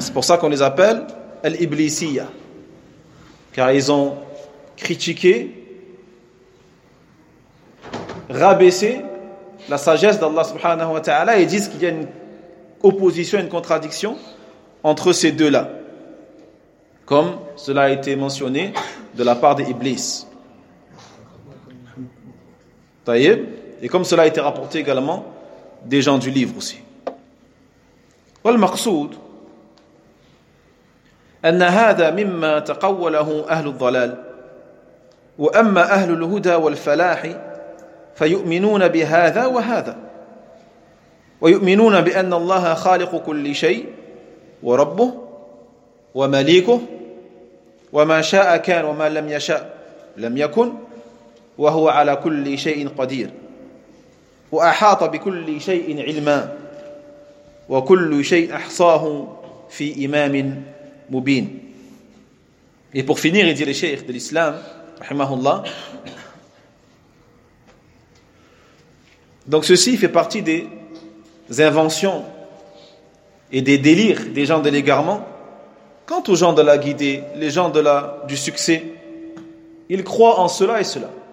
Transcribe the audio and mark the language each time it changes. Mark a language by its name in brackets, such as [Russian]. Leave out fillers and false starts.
[French] C'est pour ça qu'on les appelle Al-Iblisiyya. Car ils ont critiqué, rabaisser la sagesse d'Allah subhanahu wa ta'ala et disent qu'il y a une opposition, une contradiction entre ces deux-là, comme cela a été mentionné de la part d'Iblis. Taïeb, et comme cela a été rapporté également des gens du livre aussi. [Arabic] Wal maqsoud anna hadha mimma taqawwalahu ahlu dhalal wa amma ahlu l'huda wal falahi فيؤمنون بهذا وهذا ويؤمنون بأن الله خالق كل شيء وربه ومليكه وما شاء كان وما لم يشاء لم يكن وهو على كل شيء قدير وأحاط بكل شيء علما وكل شيء أحصاه في إمام مبين. [French] Et pour finir, il dit le cheikh de l'islam [Arabic] رحمه الله. [French] Donc ceci fait partie des inventions et des délires des gens de l'égarement. Quant aux gens de la guidée, les gens du succès, ils croient en cela et cela.